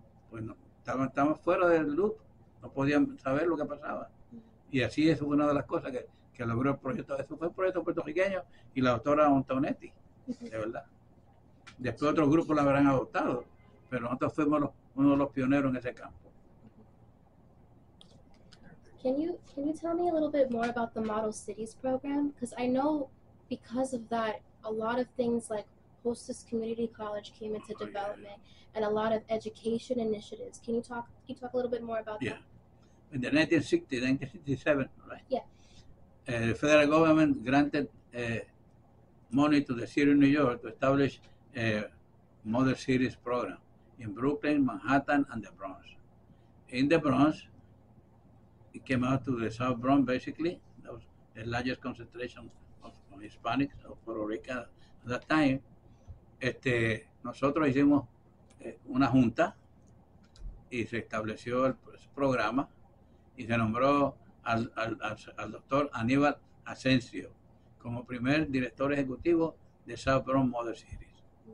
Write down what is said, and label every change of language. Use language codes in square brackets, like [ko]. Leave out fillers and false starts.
[es] Bueno, estaban fuera del loop, no podían saber lo que pasaba. Y así es una de las cosas que logró el proyecto. Eso fue un proyecto puertorriqueño y la doctora Antonetti, de verdad. Después otros grupos la habrán adoptado, pero nosotros fuimos uno de los pioneros en ese campo. [en] Can you tell me a little bit more about the Model Cities program? Because I know because of that, a lot of things like Hostess Community College came into development and a lot of education initiatives. Can you talk a little bit more about that? Yeah. In the 1960s, 1967, right? Yeah. The federal government granted money to the city of New York to establish a Model Cities program in Brooklyn, Manhattan, and the Bronx. In the Bronx, it came out to the South Bronx, basically. That was the largest concentration of Hispanics of Puerto Rico at that time. [es] Nosotros hicimos una junta y se estableció el programa y se nombró al doctor Aníbal Asensio como primer director ejecutivo de South Bronx Model Cities.